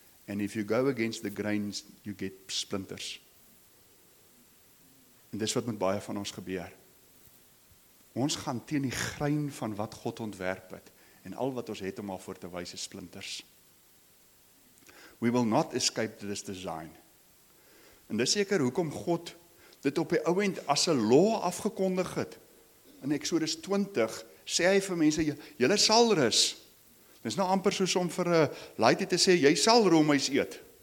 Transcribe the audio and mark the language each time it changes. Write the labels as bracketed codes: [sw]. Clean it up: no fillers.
[en] And if you go against the grains, you get splinters. [af] En dis wat met baie van ons gebeur. Ons gaan teen die grein van wat God ontwerp het, en al wat ons het om al voor te wys is splinters. [en] We will not escape this design. [af] En dis seker hoekom God dit op die ouend as 'n law afgekondig het. In Exodus 20 sê hy vir mense, julle sal rus. Dit is nou amper soos om vir 'n laaitie te sê, jy sal roomys eet.